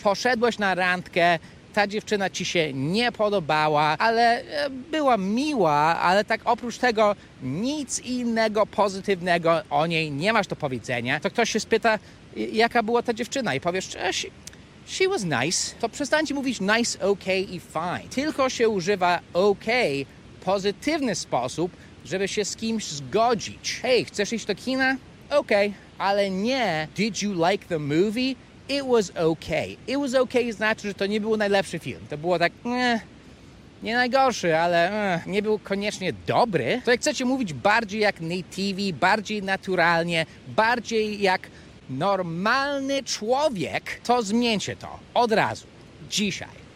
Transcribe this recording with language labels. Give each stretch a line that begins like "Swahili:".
Polish: Poszedłeś na randkę, ta dziewczyna ci się nie podobała, ale była miła, ale tak oprócz tego nic innego pozytywnego o niej nie masz do powiedzenia. To ktoś się spyta, jaka była ta dziewczyna i powiesz,
English: she was nice.
Polish: To przestańcie mówić nice, okay i fine. Tylko się używa okay w pozytywny sposób, żeby się z kimś zgodzić. Hej, chcesz iść do kina? Okay. Ale nie,
English: did you like the movie? It was okay. It was okay
Polish: znaczy, że to nie był najlepszy film. To było tak, nie najgorszy, ale nie był koniecznie dobry. To jak chcecie mówić bardziej jak native, bardziej naturalnie, bardziej jak normalny człowiek, to zmieńcie to od razu, dzisiaj.